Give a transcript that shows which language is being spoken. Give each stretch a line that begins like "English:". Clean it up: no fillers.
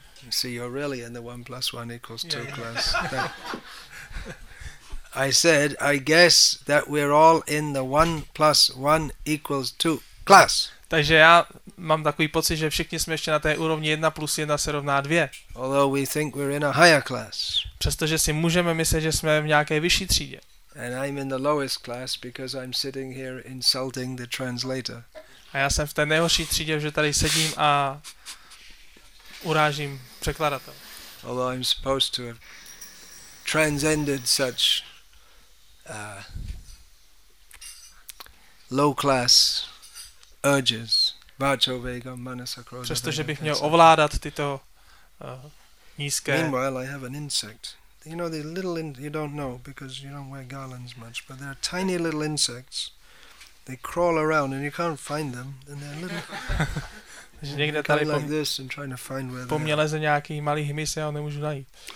English: See, you're really in the 1 plus 1 equals 2 class. I said, I guess that we're all in the 1 plus 1 equals 2 class.
Czech: Takže já mám takový pocit, že všichni jsme ještě na té úrovni 1 plus 1 se rovná 2.
English: Although we think we're in a higher class.
Czech: Přestože si můžeme myslet, že jsme v nějaké vyšší třídě.
English: And I'm in the lowest class because I'm sitting here insulting the translator.
Czech: A já jsem v té nejhorší třídě, že tady sedím a urážím překladatel.
English: Although I'm supposed to have transcended such low class urges,
Sanskrit: vacho vega manasa krodha.
Czech: Přestože bych měl ovládat tyto nízké.
English: Meanwhile, I have an insect. You know the little you don't know because you don't wear garlands much, but there are tiny little insects. They crawl around and you can't find them. And they're little.
Czech: Že někde tady po mně leze nějaký malý hmyz, já ho nemůžu najít.